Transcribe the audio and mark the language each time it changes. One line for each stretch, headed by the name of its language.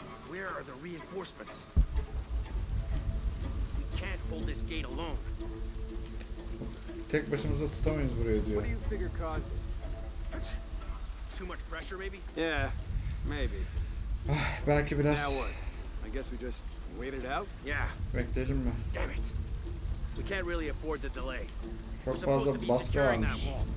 English: Where are the reinforcements? We can't hold this gate alone.
Turkish: Tek başımıza tutamayız buraya diyor.
English: Too much pressure maybe? Yeah, maybe.
Turkish: Belki biraz.
English: I guess we just wait it out? Yeah.
Turkish: Bekleyelim mi?
English: Damn it. We can't really afford the delay.
Turkish: Çok fazla baskı varmış.